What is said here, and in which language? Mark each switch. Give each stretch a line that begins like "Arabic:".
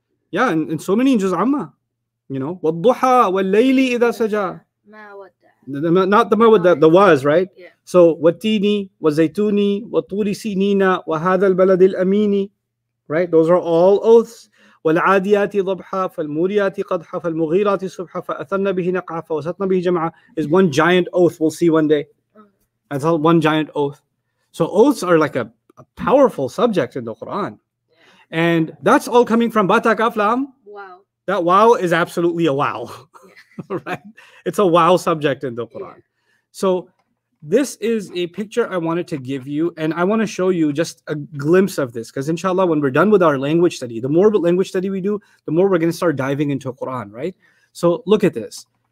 English: Yeah, and so many in Juz Amma. You know?
Arabic: وَالضُحَا وَاللَّيْلِ إِذَا سَجَا.
English: Not the ma'wadda, the was, right? Yeah. So,
Arabic: وَالتِّينِ وَالزَّيْتُونِ وَالطُّورِ سِنِينَ وَهَذَا الْبَلَدِ الْأَمِينِ.
English: Right, those are all oaths.
Arabic: وَالْعَادِيَاتِ ضَبْحَا فَالْمُورِيَاتِ قَدْحَا فَالْمُغِيرَاتِ صُبْحَا فَأَثَرْنَا بِهِ نَقْعَا فَوَسَطْنَا بِهِ جَمْعَا
English: is one giant oath. We'll see one day. That's all one giant oath. So oaths are like a powerful subject in the Quran. And that's all coming from Batak Aflam. Wow. That wow is absolutely a wow. Right? It's a wow subject in the Quran. So this is a picture I wanted to give you, and I want to show you just a glimpse of this, because inshallah, when we're done with our language study, the more language study we do, the more we're going to start diving into Quran, right? So look at this.